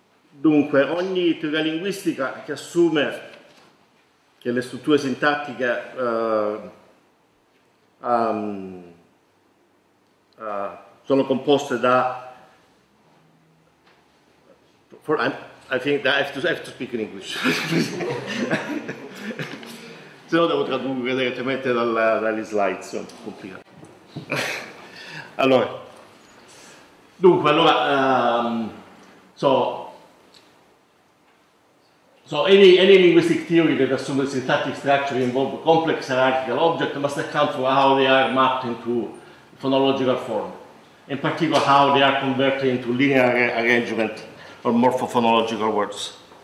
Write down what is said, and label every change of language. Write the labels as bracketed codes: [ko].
[it] Dunque, ogni teoria linguistica che assume che le strutture sintattiche sono composte da... [en] I think that I have to speak in English. [it] Se no devo tradurre direttamente dagli slides, è complicato. [en] Allora, dunque, allora, any linguistic theory that assumes syntactic structure involves complex hierarchical objects must account for how they are mapped into phonological form, in particular how they are converted into linear arrangement or morphophonological words.